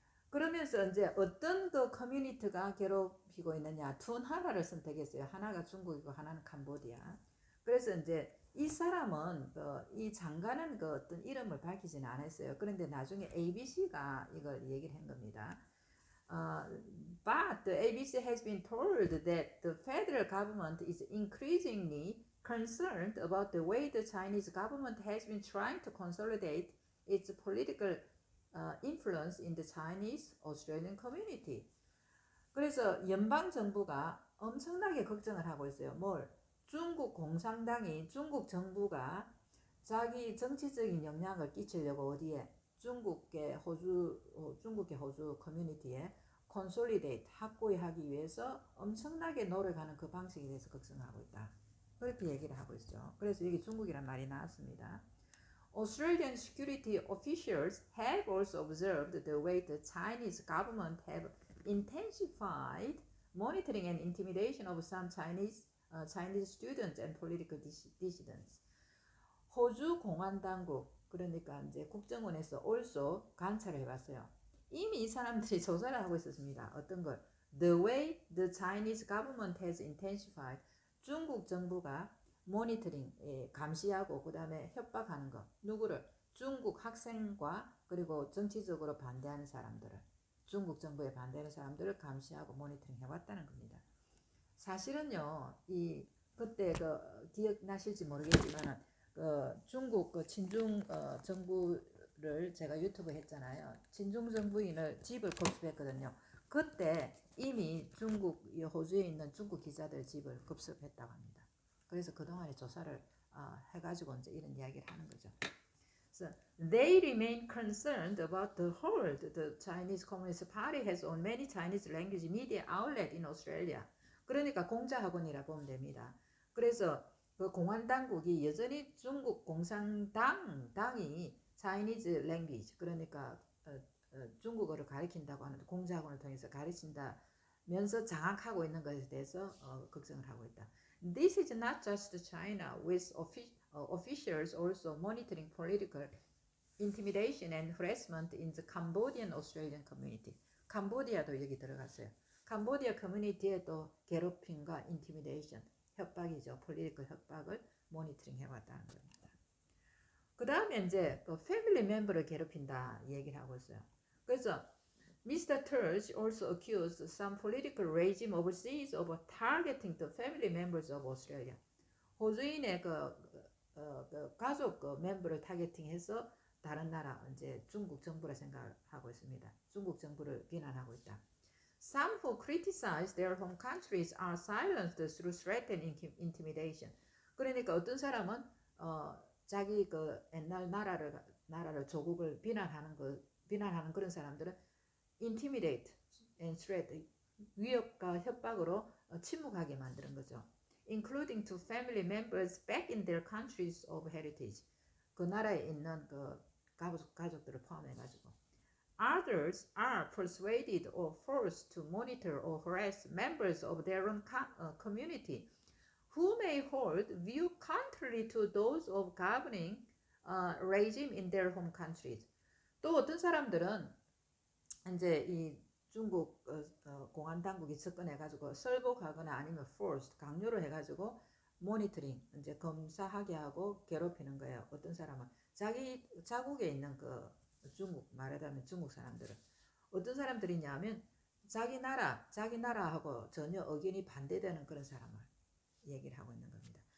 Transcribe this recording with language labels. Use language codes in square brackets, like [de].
[ko] 그러면서 이제 어떤 그 커뮤니티가 괴롭히고 있느냐, 두 나라를 선택했어요. 하나가 중국이고 하나는 캄보디아. 그래서 이제 이 사람은 이 장관은 어떤 이름을 밝히지는 않았어요. 그런데 나중에 ABC가 이걸 얘기를 한 겁니다. [en] But the ABC has been told that the federal government is increasingly concerned about the way the Chinese government has been trying to consolidate its political influence in the Chinese Australian community. [ko] 그래서 연방 정부가 엄청나게 걱정을 하고 있어요. 뭘? 중국 공산당이, 중국 정부가 자기 정치적인 영향을 끼치려고 어디에? 중국계 호주 커뮤니티에 consolidate, 확고히 하기 위해서 엄청나게 노력하는 그 방식에 대해서 걱정하고 있다. 그렇게 얘기를 하고 있죠. 그래서 여기 중국이란 말이 나왔습니다. [en] Australian security officials have also observed the way the Chinese government have intensified monitoring and intimidation of some Chinese students and political dissidents. [ko] 호주 공안당국, 그러니까 이제 국정원에서 also 관찰을 해봤어요. 이미 이 사람들이 조사를 하고 있었습니다. 어떤 걸? [en] The way the Chinese government has intensified, [ko] 중국 정부가 모니터링, 예, 감시하고 그 다음에 협박하는 거. 누구를? 중국 학생과 그리고 정치적으로 반대하는 사람들을, 중국 정부에 반대하는 사람들을 감시하고 모니터링 해왔다는 겁니다. 사실은요, 이 그때 그 기억나실지 모르겠지만 그 중국 그 친중 정부를 제가 유튜브 했잖아요. 친중 정부인을 집을 급습했거든요. 그때 이미 중국 호주에 있는 중국 기자들 집을 급습했다고 합니다. 그래서 그동안에 조사를 해가지고 이제 이런 이야기를 하는 거죠. [en] So they remain concerned about the hold the Chinese Communist Party has on many Chinese language media outlets in Australia. [ko] 그러니까 공자학원이라 보면 됩니다. 그래서 그 공안당국이 여전히 중국 공산당이 Chinese language, 그러니까 중국어를 가르친다고 하는 공자학원을 통해서 가르친다면서 장악하고 있는 것에 대해서 걱정을 하고 있다. [en] This is not just China with officials also monitoring political intimidation and harassment in the Cambodian Australian community. [ko] 캄보디아도 여기 들어갔어요. 캄보디아 커뮤니티에도 괴롭힘과 intimidation, 협박이죠. political 협박을 모니터링 해왔다는 겁니다. 그 다음에 이제 그 family member를 괴롭힌다 얘기를 하고 있어요. [en] 그래서 Mr. Turge also accused some political regime overseas of targeting the family members of Australia. [ko] 호주인의 그 가족 그 멤버를 타겟팅해서 다른 나라, 이제 중국 정부라 생각하고 있습니다. 중국 정부를 비난하고 있다. [en] Some who criticize their home countries are silenced through threat and intimidation. [ko] 그러니까 어떤 사람은 자기 그 옛날 나라를 조국을 비난하는 그런 사람들은 [en] intimidate and threat, [ko] 위협과 협박으로 침묵하게 만드는 거죠. [en] including to family members back in their countries of heritage. [ko] 그 나라에 있는 그 가족들을 포함해가지고. [en] Others are persuaded or forced to monitor or harass members of their own community who may hold view contrary to those of governing regime in their home countries. [ko] 또 어떤 사람들은 이제 이 중국 공안당국이 접근해가지고 설복하거나 아니면 forced, 강요를 해가지고 모니터링, 이제 검사하게 하고 괴롭히는 거예요. 어떤 사람은 자기 자국에 있는 그 중국, 말하자면 중국 사람들은 어떤 사람들이냐면 자기 나라하고 전혀 의견이 반대되는 그런 사람을 얘기를 하고 있는 겁니다.